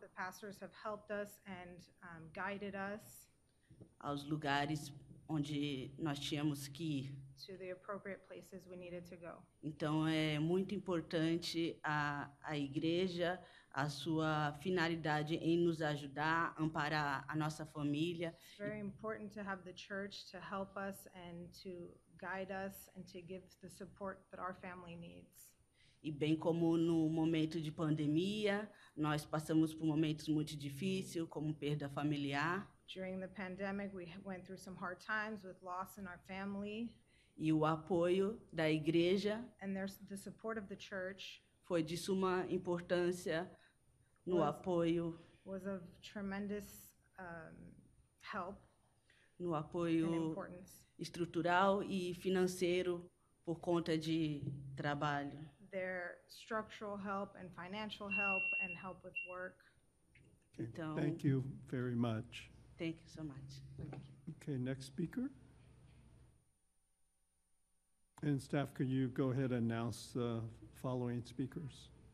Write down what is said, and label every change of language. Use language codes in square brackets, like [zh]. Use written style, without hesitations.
[en] The pastors have helped us and guided us. [pt] Aos lugares onde nós tínhamos que ir. [en] To the appropriate places we needed to go. [pt] Então é muito importante a igreja, a sua finalidade em nos ajudar, amparar a nossa família. [en] It's very important to have the church to help us and to guide us and to give the support that our family needs. [pt] E bem como no momento de pandemia, nós passamos por momentos muito difíceis, como perda familiar. [en] During the pandemic, we went through some hard times with loss in our family. [pt] E o apoio da igreja. [en] And there's the support of the church. [pt] Foi de suma importância no apoio. [en] Was of tremendous help. [pt] No apoio estrutural e financeiro por conta de trabalho. [en] Their structural help and financial help and help with work. Okay. Então, thank you very much. Thank you so much. Thank you. Okay, next speaker. And staff, could you go ahead and announce the following speakers?